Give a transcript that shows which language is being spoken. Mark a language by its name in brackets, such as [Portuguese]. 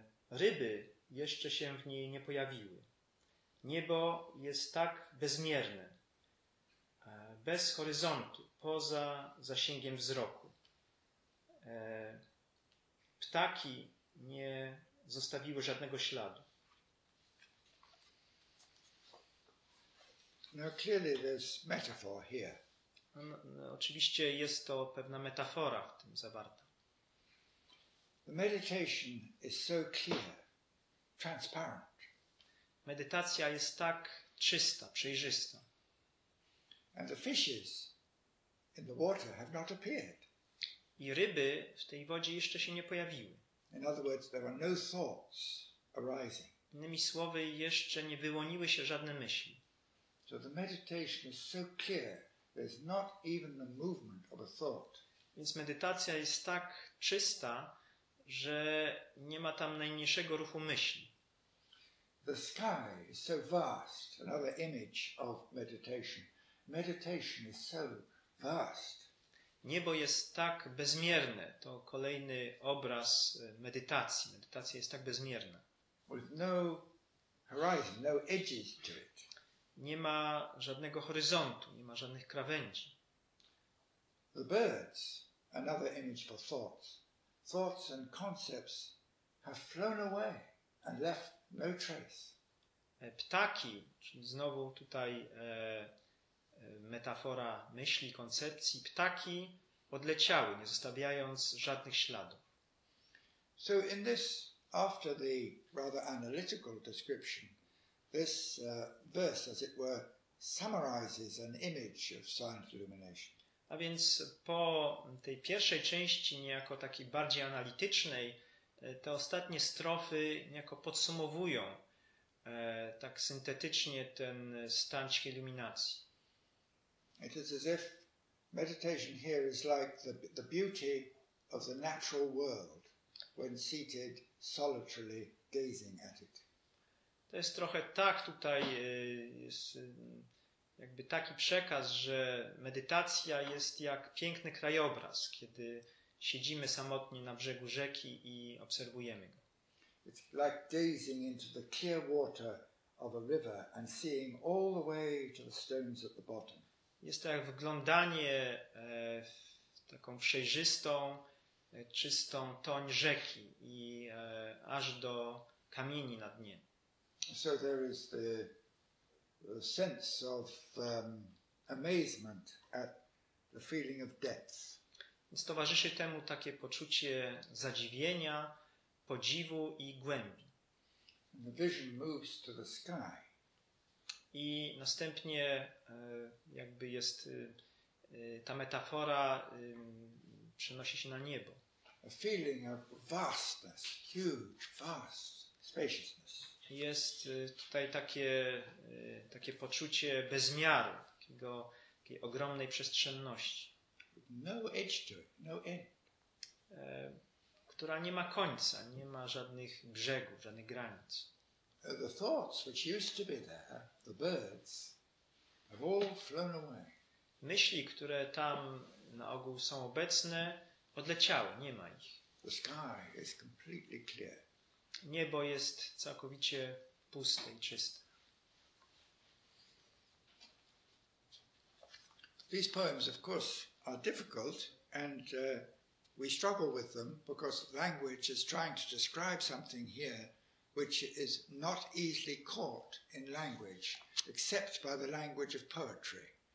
[Polish] Ryby jeszcze się w niej nie pojawiły. Niebo jest tak bezmierne, bez horyzontu, poza zasięgiem wzroku. Ptaki nie zostawiły żadnego śladu. [English] Now clearly there's metaphor here. [Polish] Oczywiście jest to pewna metafora w tym zawarta. [English] The meditation is so clear, transparent. [Polish] Medytacja jest tak czysta, przejrzysta. [English] And the fishes in the water have not appeared. [Polish] I ryby w tej wodzie jeszcze się nie pojawiły. [English] In other words, there are no thoughts arising. [Polish] Innymi słowy, jeszcze nie wyłoniły się żadne myśli. [English] So the meditation is so clear, there's not even the movement of a thought. [Polish] Więc medytacja jest tak czysta, że nie ma tam najmniejszego ruchu myśli. [English] The sky is so vast, another image of meditation. Meditation is so vast. [Polish] Niebo jest tak bezmierne. To kolejny obraz medytacji. Medytacja jest tak bezmierna. [English] With no horizon, no edges to it. [Polish] Nie ma żadnego horyzontu, nie ma żadnych krawędzi. [English] The birds, another image for thoughts. Thoughts and concepts have flown away and left no trace. [Polish] Ptaki, czyli znowu tutaj metafora myśli, koncepcji, ptaki odleciały, nie zostawiając żadnych śladów. [English] So in this, after the rather analytical description, this verse, as it were, summarizes an image of silent illumination. [Polish] A więc po tej pierwszej części, niejako takiej bardziej analitycznej, te ostatnie strofy niejako podsumowują tak syntetycznie ten stan ciszy iluminacji. [English] It is as if meditation here is like the beauty of the natural world when seated solitarily gazing at it. [Polish] To jest trochę tak tutaj, jest jakby taki przekaz, że medytacja jest jak piękny krajobraz, kiedy siedzimy samotnie na brzegu rzeki i obserwujemy go. [English] It's like gazing into the clear water of a river and seeing all the way to the stones at the bottom. [Polish] Jest to jak wglądanie w taką przejrzystą, czystą toń rzeki i aż do kamieni na dnie. [English] So there is the sense of amazement at the feeling of depth. [Polish] Więc towarzyszy temu takie poczucie zadziwienia, podziwu i głębi. [English] And the vision moves to the sky. [Polish] I następnie jakby jest ta metafora przenosi się na niebo. [English] A feeling of vastness, huge, vast, spaciousness. [Polish] Jest tutaj takie poczucie bezmiaru, takiej ogromnej przestrzenności. [English] No edge to it, no end. [Polish] która nie ma końca, nie ma żadnych brzegów, żadnych granic. [English] The thoughts which used to be there, the birds, have all flown away. [Polish] Myśli, które tam na ogół są obecne, odleciały, nie ma ich. [English] The sky is completely clear. [Polish] Niebo jest całkowicie puste i czyste. [English] These poems, of course, are difficult, and we struggle with them because language is trying to describe something here which is not easily caught in language, except by the language of poetry.